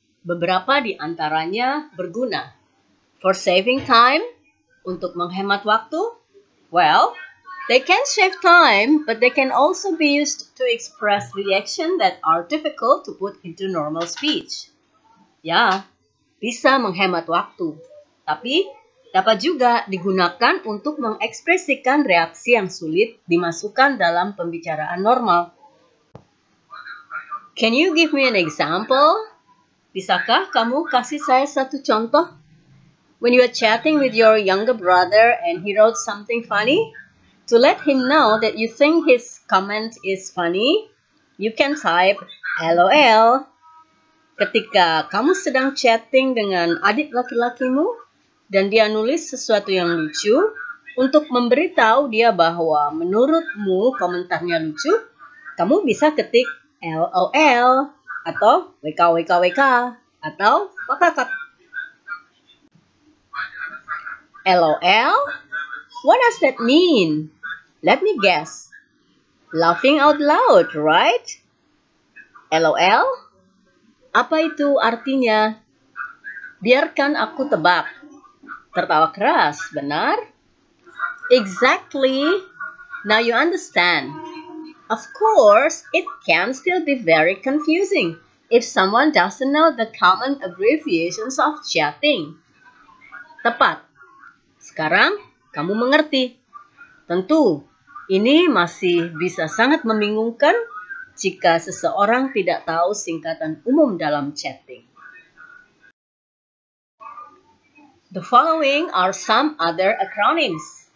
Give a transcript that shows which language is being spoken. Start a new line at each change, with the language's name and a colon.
Indonesian: Beberapa di antaranya berguna.
English: For saving time,
Indonesian: untuk menghemat waktu,
English: well, they can save time, but they can also be used to express reaction that are difficult to put into normal speech.
Indonesian: Ya, bisa menghemat waktu, tapi dapat juga digunakan untuk mengekspresikan reaksi yang sulit dimasukkan dalam pembicaraan normal.
English: Can you give me an example?
Indonesian: Bisakah kamu kasih saya satu contoh?
English: When you are chatting with your younger brother and he wrote something funny, to let him know that you think his comment is funny, you can type LOL.
Indonesian: Ketika kamu sedang chatting dengan adik laki-lakimu dan dia nulis sesuatu yang lucu, untuk memberitahu dia bahwa menurutmu komentarnya lucu, kamu bisa ketik LOL. Atau WKWKWK, atau WKWKWK.
English: LOL? What does that mean? Let me guess. Laughing out loud, right? LOL?
Indonesian: Apa itu artinya? Biarkan aku tebak. Tertawa keras, benar? Exactly.
English: Now you understand. Of course, it can still be very confusing if someone doesn't know the common abbreviations of chatting.
Indonesian: Tepat. Sekarang kamu mengerti. Tentu, ini masih bisa sangat membingungkan jika seseorang tidak tahu singkatan umum dalam chatting.
English: The following are some other acronyms.